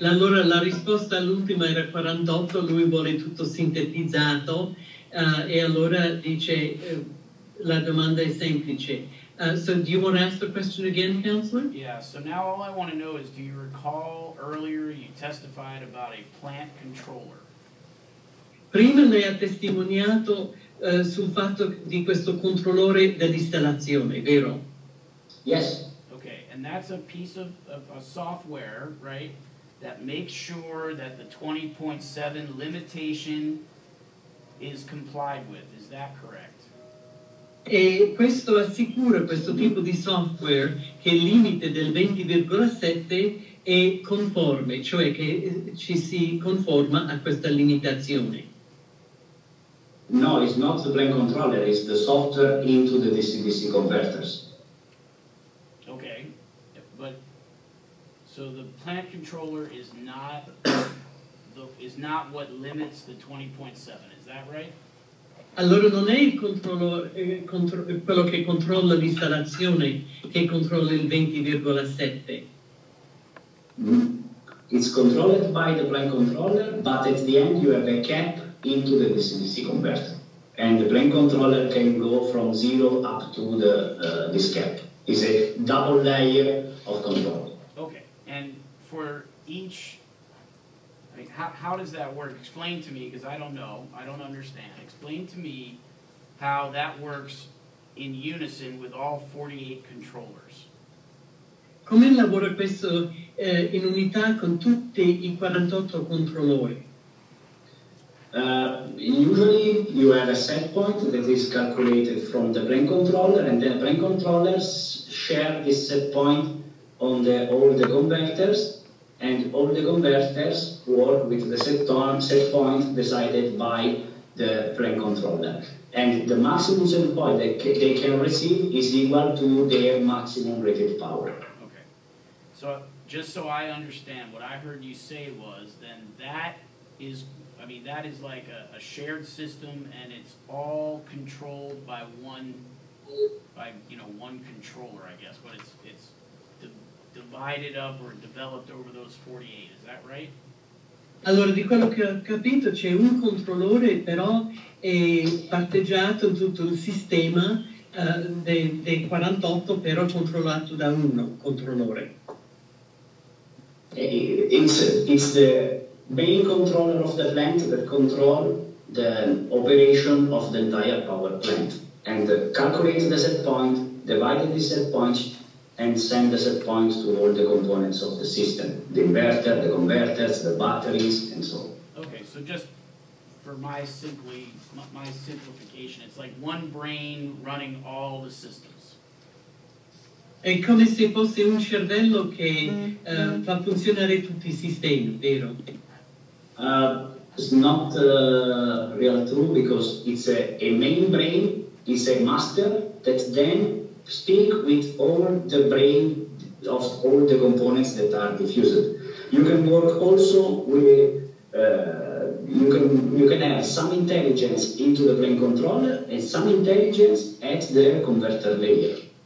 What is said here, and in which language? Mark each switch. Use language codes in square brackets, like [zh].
[it] Allora, la risposta all'ultima era 48. Lui vuole tutto sintetizzato. E allora dice, la domanda è semplice. [en] So do you want to ask the question again, Counselor? Yeah, so now all I want to know is, do you recall earlier you testified about a plant controller? [it] Prima lei ha testimoniato sul fatto di questo controllore dell'installazione, vero? [en] Yes. Okay, and that's a piece of a software, right, that makes sure that the 20.7 limitation is complied with. Is that correct? [it] E questo assicura, questo tipo di software, che il limite del 20,7 è conforme, cioè che ci si conforma a questa limitazione. [en] No, it's not the blank controller, it's the software into the DC-DC converters. Okay, but so the plant controller is not is not what limits the 20.7, is that right? [it] Allora non è il controllo, quello che controlla l'installazione che controlla il 20,7. [en] It's controlled by the blank controller, but at the end you have a cap into the DC-DC converter. And the blank controller can go from zero up to the this cap. It's a double layer of control. Okay, and for each, how does that work? Explain to me, because I don't know, I don't understand. Explain to me how that works in unison with all 48 controllers. [it] Come lavora questo in unità con tutti i 48 controllori? [en] Usually you have a set point that is calculated from the brain controller, and the brain controllers share this set point on the all the converters, and all the converters work with the set point decided by the brain controller. And the maximum set point that they can receive is equal to their maximum rated power. Okay. So just so I understand, what I heard you say was then that is like a shared system, and it's all controlled by one controller, I guess, but it's divided up or developed over those 48, is that right? [it] Allora, di quello che ho capito, c'è un controllore, però è parteggiato tutto il sistema dei 48, però controllato da uno controllore. [en] It's the main controller of the plant that control the operation of the entire power plant and calculate the set point, divide the set point, and send the set point to all the components of the system, the inverter, the converters, the batteries, and so on. Okay, so just for my simplification, it's like one brain running all the systems. [it] È come se fosse un cervello che fa funzionare tutti i sistemi, vero? [en] It's not real true, because it's a main brain, it's a master that then speak with all the brain of all the components that are diffused. You can work also with you can have some intelligence into the brain controller and some intelligence at the converter layer.